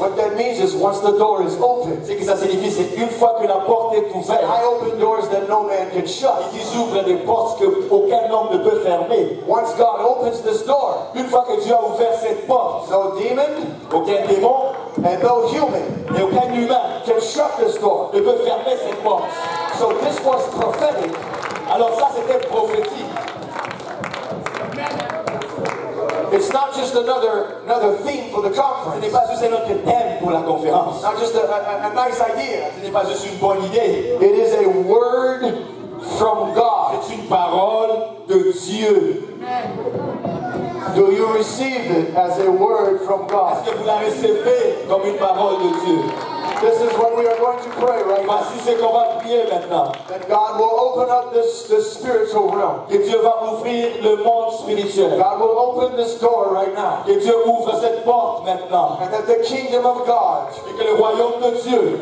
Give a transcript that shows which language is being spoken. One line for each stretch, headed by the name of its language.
English: What that means is once the door is open.
French: C'est que ça signifie c'est une fois que la porte est ouverte.
English: I open doors that no man can shut.
French: Et ils ouvrent des portes que aucun homme ne peut fermer.
English: Once God opens this door.
French: Une fois que Dieu a ouvert cette porte.
English: No demon.
French: Aucun démon.
English: And no human.
French: Et aucun humain.
English: Can shut this door.
French: Ne peut fermer cette porte.
English: So this was prophetic.
French: Alors ça c'était prophétique.
English: It's not just another theme for the conference.
French: Ce n'est pas juste un autre thème pour la conférence.
English: Not just a nice idea.
French: Ce n'est pas juste une bonne idée.
English: It is a word from God.
French: C'est une parole de Dieu.
English: Do you receive it as a word from God?
French: Est-ce que vous la recevez comme une parole de Dieu?
English: This is what we are going to pray right now.
French: Voici ce qu'on va prier maintenant.
English: That God will open up this spiritual realm.
French: Que Dieu va ouvrir le monde spirituel.
English: God will open this door right now.
French: Que Dieu ouvre cette porte maintenant.
English: And that the kingdom of God,
French: et que le royaume de Dieu,